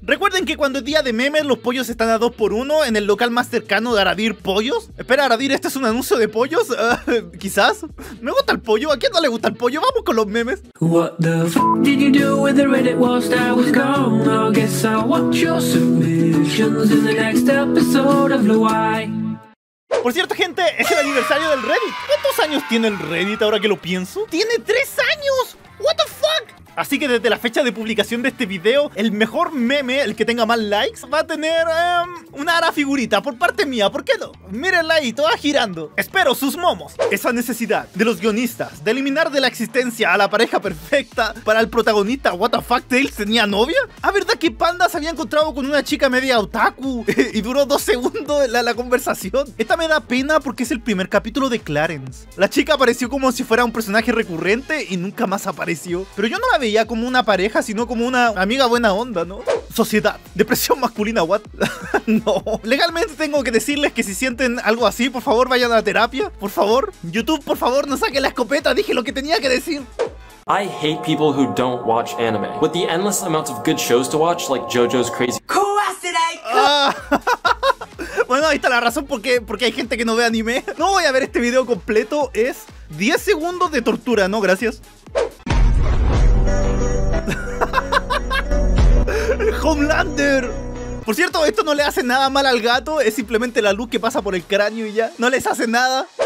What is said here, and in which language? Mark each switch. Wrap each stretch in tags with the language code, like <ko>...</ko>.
<es>Recuerden que cuando es día de memes, los pollos están a 2x1 en el local más cercano de Aradir Pollos. Espera, Aradir, ¿este es un anuncio de pollos? Quizás. ¿Me gusta el pollo? ¿A quién no le gusta el pollo? Vamos con los memes.</es> <en>What the f*** did you do with the Reddit whilst I was gone? I guess I'll watch your submissions in the next episode of Blue Eye.</en> <es>Por cierto, gente, es el aniversario del Reddit. ¿Cuántos años tiene el Reddit ahora que lo pienso? ¡Tiene 3 años! ¡What the fuck! Así que desde la fecha de publicación de este video, el mejor meme, el que tenga más likes, va a tener una ara figurita por parte mía, ¿por qué no? Mírenla ahí, toda girando. Espero sus momos. Esa necesidad de los guionistas de eliminar de la existencia a la pareja perfecta para el protagonista WTF Tales tenía novia. ¿A verdad que Panda se había encontrado con una chica media otaku y duró 2 segundos la conversación? Esta me da pena porque es el primer capítulo de Clarence. La chica apareció como si fuera un personaje recurrente y nunca más apareció. Pero yo no la veía como una pareja, sino como una amiga buena onda, ¿no? Sociedad, depresión masculina, what? No. Legalmente tengo que decirles que si sienten algo así, por favor vayan a la terapia. Por favor. YouTube, por favor, no saquen la escopeta. Dije lo que tenía que decir.</es> <en>I hate people who don't watch anime. With the endless amounts of good shows to watch, like JoJo's Crazy.</en> <es>Bueno, ahí está la razón porque hay gente que no ve anime. No voy a ver este video completo. Es 10 segundos de tortura, ¿no? Gracias. Homelander. Por cierto, esto no le hace nada mal al gato. Es simplemente la luz que pasa por el cráneo y ya. No les hace nada.</es>